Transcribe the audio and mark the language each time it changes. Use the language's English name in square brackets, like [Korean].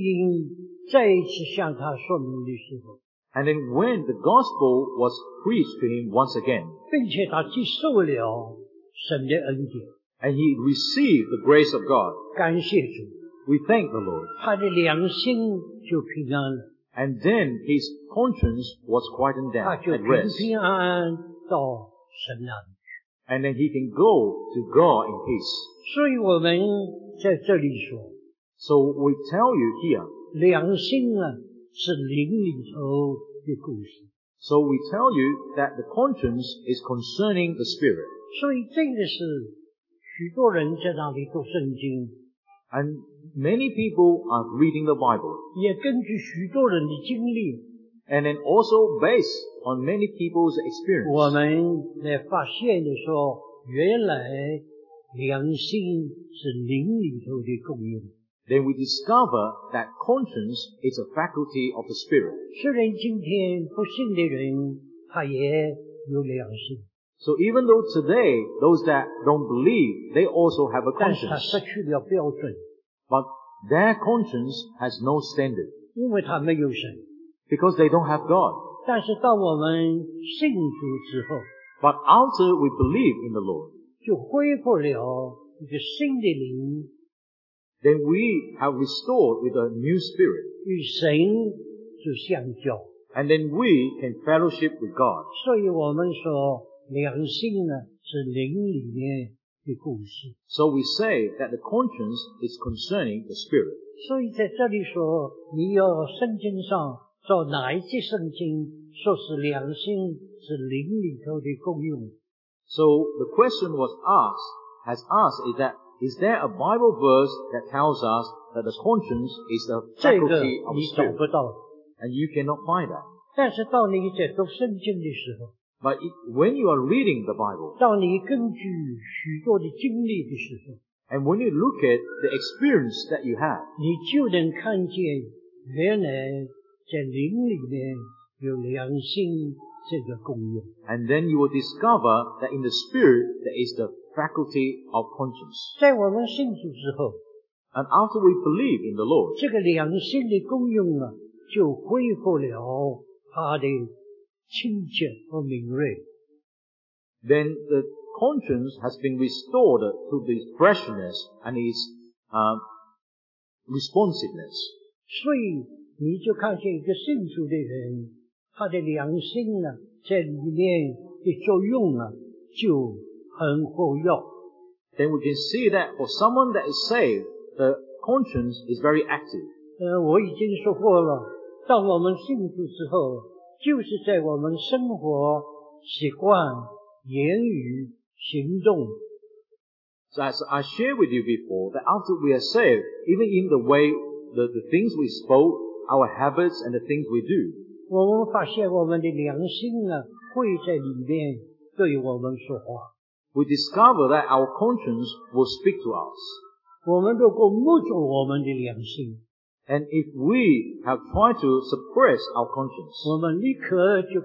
[Chinese] 等到把真正福音再一次向他说明的时候, [English] And then when the gospel was preached to him once again, [Chinese] 并且他接受了神的恩典, [English] and he received the grace of God, [Chinese] 感谢主, [English] we thank the Lord, [Chinese] 他的良心就平安了。 [English] And then his conscience was quietened down at rest. And then he can go to God in peace. [Chinese] 所以我们在这里说, [English] so we tell you here, [Chinese] 良心啊,是灵里头的故事。 [English] So we tell you that the conscience is concerning the spirit. [Chinese] 所以这个是许多人在那里读圣经。 [English] And many people are reading the Bible. [Chinese] 也根据许多人的经历, [English] and then also based on many people's experience. [Chinese] 我们才发现说, 原来良心是灵里头的供应。 [English] Then we discover that conscience is a faculty of the spirit. [Chinese] 虽然今天不信的人, 他也有良心。 [English] So even though today, those that don't believe, they also have a conscience. [Chinese] 但是他失去了标准。 [English] But their conscience has no standard. [Chinese] 因为他没有神。 [English] Because they don't have God. [Chinese] 但是当我们信主之后, [English] But after we believe in the Lord, [Chinese] 就恢复了一个新的灵, [English] then we have restored with a new spirit. [Chinese] 与神就相交, [English] and then we can fellowship with God. [Chinese] 所以我们说, 良心呢, 是灵里面的故事。 [English] So we say that the conscience is concerning the spirit. [Chinese] 所以在这里说, 你要圣经上, 照哪一节圣经说是良心是灵里头的功用? [English] So the question was asked, has asked, is that is there a Bible verse that tells us that the conscience is the faculty of spirit? [Chinese] 这个你找不到, [English] and you cannot find that. [Chinese] 但是到你一节读圣经的时候, [English] but when you are reading the Bible, [Chinese] 到你根据许多的经历的时候, [English] and when you look at the experience that you have, [Chinese] 你就能看见原来 在灵里面有良心这个功用, [English] and then you will discover that in the spirit there is the faculty of conscience. [Chinese] 在我们信主之后, [English] and after we believe in the Lord, [Chinese] 这个良心的功用啊, 就恢复了他的清洁和敏锐。 [English] Then the conscience has been restored to the freshness and its responsiveness. [Chinese] 所以, 你就看见一个信主的人, 他的良心呢, 在里面的作用呢, 就很活跃。 [English] Then we can see that for someone that is saved, the conscience is very active. [Chinese] 我已经说过了, 当我们信主之后, 就是在我们生活, 习惯, 言语, 行动。 [English] So as I shared with you before, that after we are saved, even in the way, the things we spoke, our habits and the things we do. [Chinese] 我们发现我们的良心呢,会在里面对我们说话。 [English] We discover that our conscience will speak to us. [Chinese] 我们如果目睹我们的良心, [English] and if we have tried to suppress our conscience,